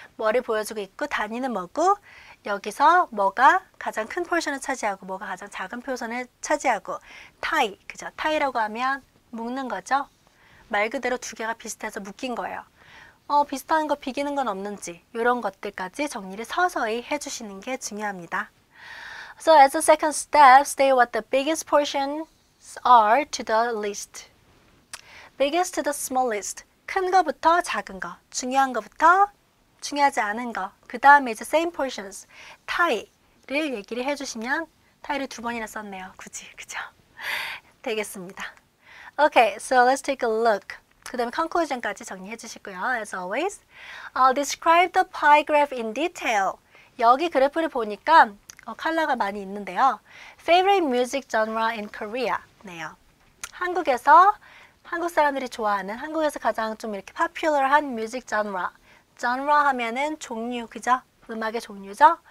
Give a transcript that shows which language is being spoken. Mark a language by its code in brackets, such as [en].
[ko] 뭐를 보여주고 있고, 단위는 뭐고, 여기서 뭐가 가장 큰 포션을 차지하고, 뭐가 가장 작은 포션을 차지하고, 타이, 그쵸? 타이라고 하면 묶는 거죠. 말 그대로 두 개가 비슷해서 묶인 거예요. 비슷한 거 비기는 건 없는지 이런 것들까지 정리를 서서히 해주시는 게 중요합니다. [en] So as a second step, state what the biggest portions are to the least. Biggest to the smallest. [ko] 큰 거부터 작은 거, 중요한 거부터 중요하지 않은 거, 그 다음에 이제 same portions, 타이를 얘기를 해주시면 타이를 두 번이나 썼네요. 굳이, 그죠? 되겠습니다. [en] Okay, so let's take a look. [ko] 그 다음에 conclusion까지 정리해 주시고요. [en] As always, describe the pie graph in detail. [ko] 여기 그래프를 보니까 컬러가 많이 있는데요. [en] Favorite music genre in Korea [ko] 네요. 한국에서 한국 사람들이 좋아하는 한국에서 가장 좀 이렇게 popular한 music genre. genre 하면은 종류, 그죠? 음악의 종류죠?